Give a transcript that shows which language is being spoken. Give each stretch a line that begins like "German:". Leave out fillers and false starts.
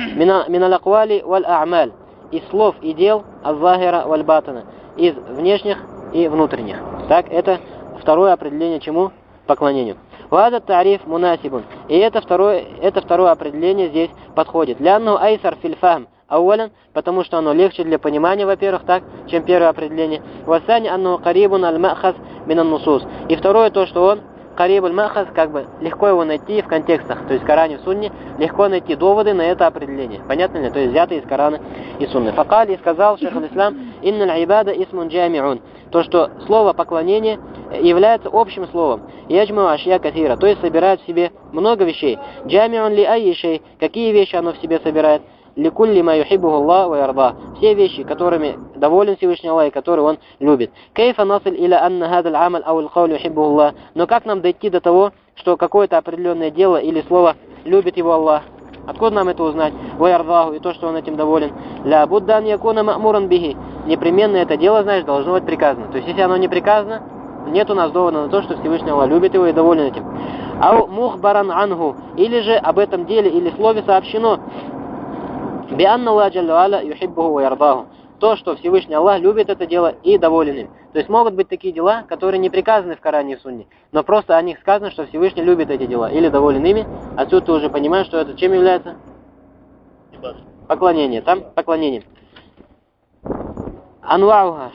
Arabic: «Мин аль-аквали валь а'маль».
Russian: Из слов и дел аз-захира валь-батана, из внешних и внутренних. Так, это второе определение чему? Поклонению.
Arabic: Ваза тариф мунасибун.
Russian: И это второе определение здесь подходит.
Arabic: Лянну айсар фильфам أولاً,
Russian: потому что оно легче для понимания, во-первых, так, чем первое определение.
Arabic: والثاني أنه قريب المأخذ من النصوص.
Russian: И второе то, что он
Arabic: قريب المأخذ,
Russian: как бы легко его найти в контекстах, то есть Коране и Сунне, легко найти доводы на это определение. Понятно ли? То есть взятые из Корана и Сунны.
Arabic: فقال,
Russian: и сказал шейх аль-Ислам,
Arabic: إن العبادة اسم جامع.
Russian: То, что слово поклонение является общим словом.
Arabic: يجمع أشياء كثيرة.
Russian: То есть собирает в себе много вещей.
Arabic: جامع لأي شيء.
Russian: Какие вещи оно в себе собирает?
Arabic: لكل ما يحبه الله ويرضاه.
Russian: Все вещи, которыми доволен Всевышний Аллах и которые он любит.
Arabic: كيف نصل إلى أن هذا العمل أو القول يحبه الله.
Russian: Но как нам дойти до того, что какое-то определенное дело или слово любит его Аллах? Откуда нам это узнать?
Arabic: ويرضاه,
Russian: и то, что он этим доволен.
Arabic: لابد أن يكون مأمورا به.
Russian: Непременно это дело, знаешь, должно быть приказано. То есть, если оно не приказано, нет у нас довода на то, что Всевышний Аллах любит его и доволен этим.
Arabic: أو مخبرا عنه.
Russian: Или же об этом деле или слове сообщено.
Arabic: بأن الله جل وعلا يحبه ويرضاه.
Russian: То, что Всевышний Аллах любит это дело и доволен им. То есть могут быть такие дела, которые не приказаны в Коране и Сунне, но просто о них сказано, что Всевышний любит эти дела или доволен ими. Отсюда ты уже понимаешь, что это чем является? Поклонение. Там поклонение. Анвауха.